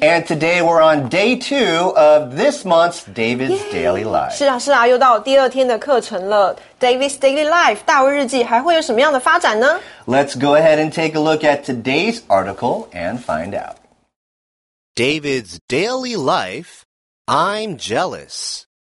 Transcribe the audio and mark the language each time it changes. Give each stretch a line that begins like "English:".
English: And today we're on day two of this month's David's Daily Life.
Chinese: 是啊，是啊，又到第二天的课程了。 David's Daily Life, 大卫日记还会有什么样的发展呢？
English: Let's go ahead and take a look at today's article and find out. David's Daily Life, I'm jealous.